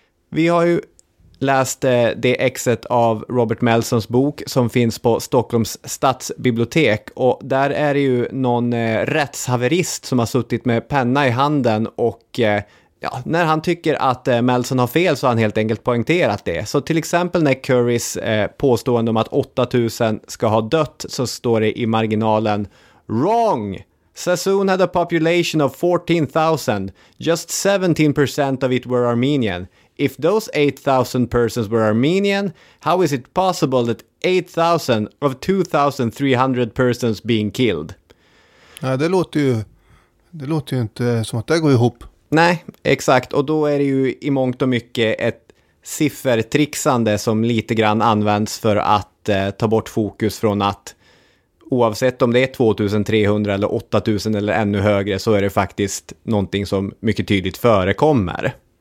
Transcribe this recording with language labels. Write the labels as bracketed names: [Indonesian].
[Swedish] Vi har ju läst det exet av Robert Melsons bok som finns på Stockholms stadsbibliotek och där är det ju någon rättshaverist som har suttit med penna i handen och ja, när han tycker att Melson har fel så har han helt enkelt poängterat det. Så till exempel när Currys påstående om att 8000 ska ha dött så står det i marginalen "Wrong! [English] Sassoon had a population of 14,000. Just 17% of it were Armenian. If those 8,000 persons were Armenian, how is it possible that 8,000 of 2,300 persons being killed?" [Swedish] Nej, det låter ju inte som att det går ihop. Nej, exakt. Och då är det ju i mångt och mycket ett siffertrixande som lite grann används för att ta bort fokus från att oavsett om det är 2300 eller 8000 eller ännu högre så är det faktiskt någonting som mycket tydligt förekommer.